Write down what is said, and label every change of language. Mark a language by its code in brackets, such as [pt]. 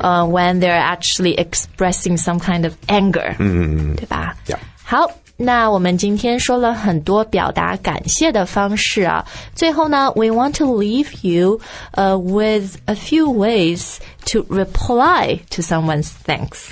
[en] When they're actually expressing some kind of anger. [zh] 对吧 [en] Yeah. [zh] 好那我们今天说了很多表达感谢的方式啊。最后呢 [en] we want to leave you, with a few ways to reply to someone's thanks.